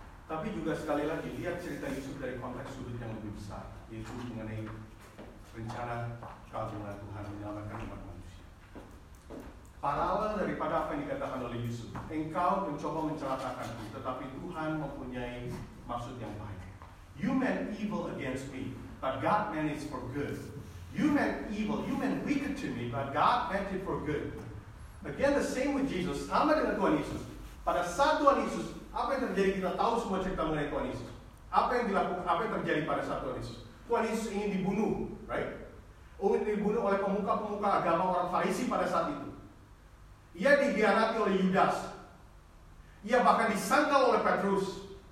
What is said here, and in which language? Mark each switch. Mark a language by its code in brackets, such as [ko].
[id] Tapi juga sekali lagi lihat cerita Yusuf dari konteks sudut yang lebih besar, yaitu mengenai rencana keagungan Tuhan menyelamatkan umat manusia. Paralel daripada apa yang dikatakan oleh Yusuf, engkau mencoba mencelakakanku, tetapi Tuhan mempunyai maksud yang baik. [en] You meant evil against me, but God meant it for good. You meant evil, you meant wicked to me, but God meant it for good. Again, the same with Jesus, [id] sama dengan Tuhan Yesus. Pada saat Tuhan Yesus, apa yang terjadi, kita tahu semua cerita mengenai Tuhan Yesus. Apa yang dilakukan, apa yang terjadi pada saat Tuhan Yesus? Tuhan Yesus ingin dibunuh, right? Ingin dibunuh oleh pemuka-pemuka agama, orang Farisi pada saat itu. Ia dikhianati oleh Yudas. Ia bahkan disangkal oleh Petrus.